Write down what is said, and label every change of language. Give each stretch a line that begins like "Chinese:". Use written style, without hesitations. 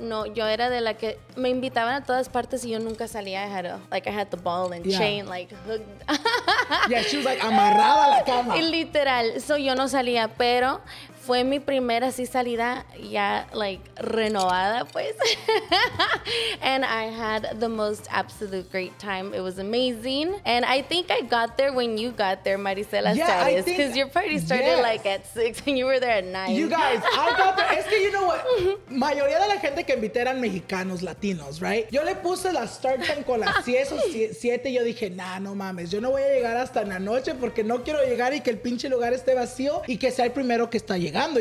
Spanish: No, yo era de la que me invitaban a todas partes y yo nunca salía.
English: I had the ball and chain, like, hooked. Yeah, she was like,
Spanish: amarrada a la cama. Literal. So yo no salía, pero... Fue mi primera así salida ya, like, renovada, pues.
English: And I had the most absolute great time. It was amazing. And I think I got there when you got there, Maricela Salles. Yeah, because your party started, yes. Like, at 6 and you were there at 9. You guys, I got there.
Spanish: Es que,
English: you know
Spanish: mayoría de la gente que invité eran mexicanos, latinos, right? Yo le puse la start time con las 10 o 7 y yo dije, nah, no mames, yo no voy a llegar hasta en la noche porque no quiero llegar y que el pinche lugar esté vacío y que sea el primero que está llegando.